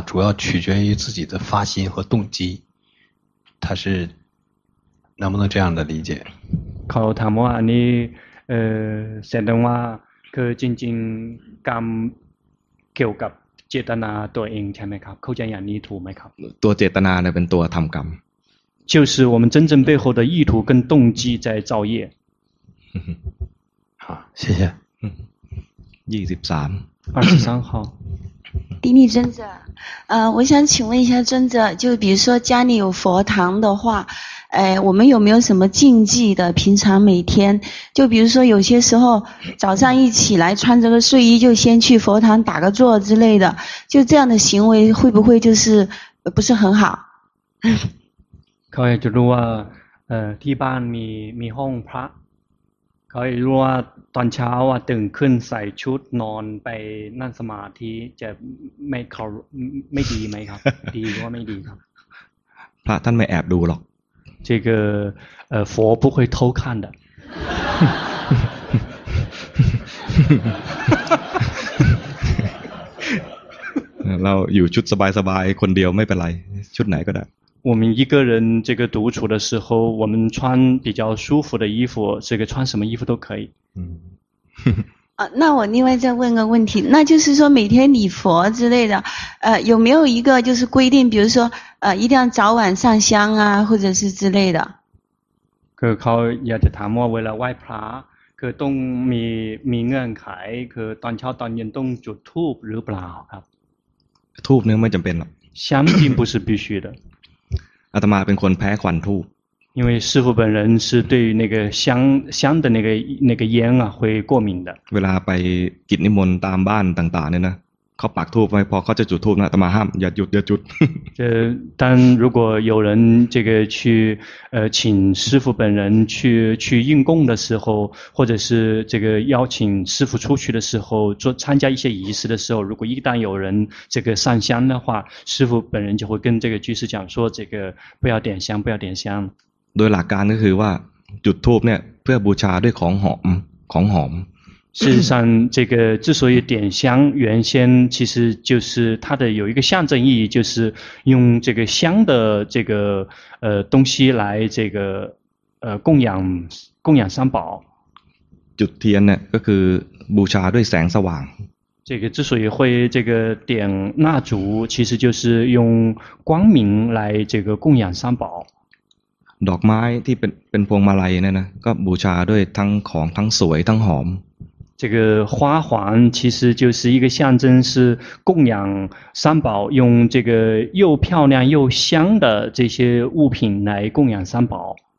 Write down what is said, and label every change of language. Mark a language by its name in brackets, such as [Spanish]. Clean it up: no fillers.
[Chinese] 主要取决于自己的发心和动机，他是能不能这样的理解？靠他们啊，你先等我，去静静干，叫个เจตนา对应前面考，考这样你图没考？多เจตนา那边多ทำกรรม，就是我们真正背后的意图跟动机在造业。好，谢谢。 23号。迪尼尊者，我想请问一下尊者，就比如说家里有佛堂的话，我们有没有什么禁忌的？平常每天，就比如说有些时候早上一起来穿着个睡衣就先去佛堂打个坐之类的，就这样的行为会不会就是不是很好？ [Thai] เขาจะรู้ว่าที่บ้านมีห้องพระเขาจะรู้ว่าตอนเช้าว่าตื่นขึ้นใส่ชุดนอนไปนั่งสมาธิจะไม่เขาไม่ดีไหมครับดีหรือว่าไม่ดีครับ พระท่านไม่แอบดูหรอก [Chinese] 这个佛不会偷看的 [Thai] เราอยู่ชุดสบายสบายคนเดียวไม่เป็นไรชุดไหนก็ได้ [Chinese] 我们一个人这个独处的时候，我们穿比较舒服的衣服，这个穿什么衣服都可以。啊，那我另外再问个问题，那就是说每天礼佛之类的，有没有一个就是规定，比如说一定要早晚上香啊，或者是之类的。 [Thai] คือเขาอยากจะถามว่าเวลาไหว้พระคือต้องมีเงื่อนไขคือตอนเช้าตอนเย็นต้องจุดธูปหรือเปล่าครับ。 ธูปเนี่ยไม่จำเป็นหรอก。 [Chinese] 香并不是必须的。 [Thai] อาตมาเป็นคนแพ้ควันธูป [Chinese] 因为师父本人是对于那个香的那个烟啊会过敏的 [Thai] เวลาไปกิจนิมนต์ตามบ้านต่างๆเนี่ยนะเขาปักธูปไว้พอเขาจะจุดธูปนะแต่มาห้ามอย่าหยุดอย่าจุด [Chinese] 但如果有人这个去请师父本人去应供的时候或者是这个邀请师父出去的时候做参加一些仪式的时候如果一旦有人这个上香的话师父本人就会跟这个居士讲说这个不要点香不要点香 [Thai] โดยหลักการก็คือว่าจุดธูปเนี่ยเพื่อบูชาด้วยของหอมของหอม [Chinese] 事实上这个之所以点香原先其实就是它的有一个象征意义就是用这个香的这个东西来这个供养三宝 [Thai] จุดเทียนเนี่ยก็คือบูชาด้วยแสงสว่าง [Chinese] 这个之所以会这个点蜡烛其实就是用光明来这个供养三宝 [Thai] ดอกไม้ที่เป็นพวงมาลัยเนี่ยนะก็บูชาด้วยทั้งของทั้งสวยทั้งหอม [Chinese] 这个花环其实就是一个象征是供养三宝用这个又漂亮又香的这些物品来供养三宝